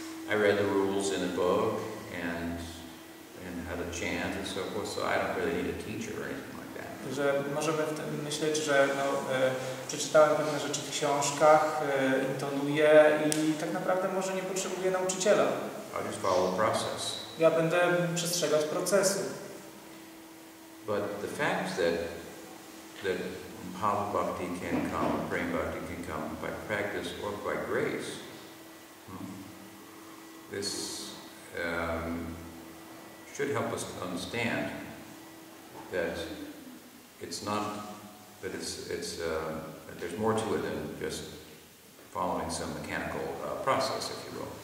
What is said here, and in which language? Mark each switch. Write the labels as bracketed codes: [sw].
[en] I read the rules in a book and had a chant and so forth, so I don't really need a teacher or anything like that. [pl] Że możemy myśleć, że no, przeczytałem pewne rzeczy w książkach, intonuję i tak naprawdę może nie potrzebuję nauczyciela. [en] I'll just follow the process. [pl] Ja będę przestrzegać procesu. [en] But the fact that Mahāvīra Bhakti can come, Prema Bhakti can come by practice or by grace, this should help us understand that it's not that it's there's more to it than just following some mechanical process, if you will.